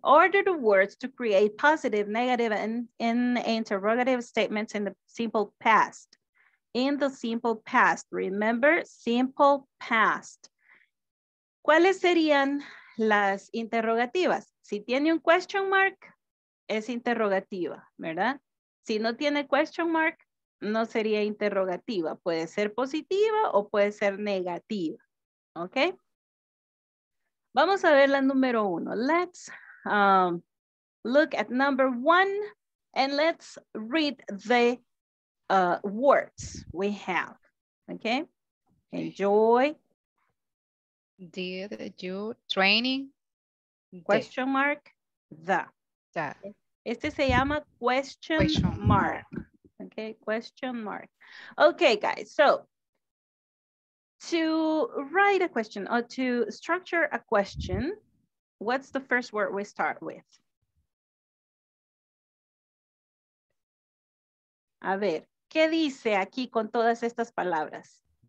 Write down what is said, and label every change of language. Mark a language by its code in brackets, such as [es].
[en] Order the words to create positive, negative, and in interrogative statements in the simple past. In the simple past, remember, simple past. [es] ¿Cuáles serían las interrogativas? Si tiene un question mark, es interrogativa, ¿verdad? Si no tiene question mark, no sería interrogativa. Puede ser positiva o puede ser negativa. ¿Ok? Vamos a ver la número uno. [en] Let's look at number one and let's read the words we have. ¿Ok? Enjoy. Did you training? Question mark. The. [es] Este se llama [en] question mark. Okay, question mark. Okay, guys, so to write a question or to structure a question, what's the first word we start with? [es] A ver, ¿qué dice aquí con todas estas palabras?